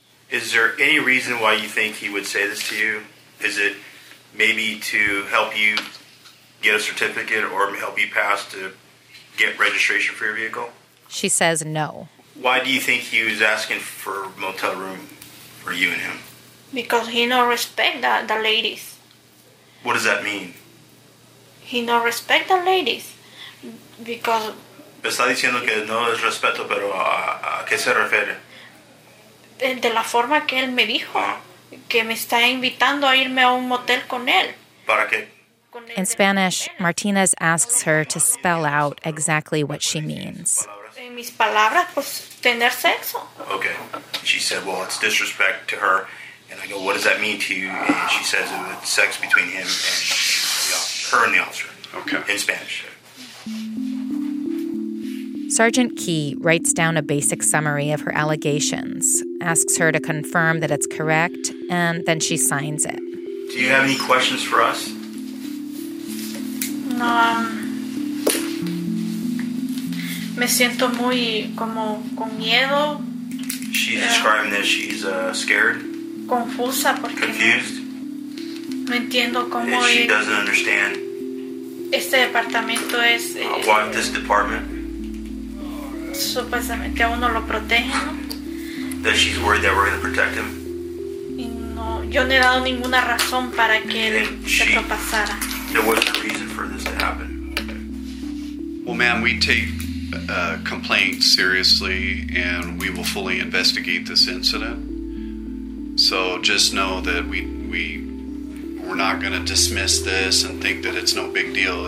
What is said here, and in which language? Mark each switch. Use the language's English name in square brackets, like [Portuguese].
[English] Is there any reason why you think he would say this to you? Is it maybe to help you get a certificate or help you pass to get registration for your vehicle? She says no. Why do you think he was asking for a motel room for you and him? Because he no respect the ladies. What does that mean? He no respect the ladies. Because [Spanish] me está diciendo que no es respeto, pero a qué se refiere? De la forma que él me dijo, que me está invitando a irme a un motel con él. bucket. [English] In Spanish, Martinez asks her to spell out exactly what she means. Okay. She said, well, it's disrespect to her. And I go, what does that mean to you? And she says it's sex between him and her and the officer. Okay. In Spanish. Sergeant Key writes down a basic summary of her allegations, asks her to confirm that it's correct, and then she signs it. Do you have any questions for us? No. [Spanish] Me siento muy como con miedo. [English] She's describing this. She's scared. [Spanish] Confusa porque [English] confused. [Spanish] No entiendo cómo. [English] She doesn't understand. [Spanish] Este departamento es. [English] Why this department? [Spanish] Supuestamente a uno lo protege, ¿no? [English] That she's worried that we're going to protect him. [Spanish] Y no, yo no he dado ninguna razón para que él se lo pasara. [English] There was no reason for this to happen. Well, ma'am, we take a complaint seriously and we will fully investigate this incident. So just know that we're not going to dismiss this and think that it's no big deal.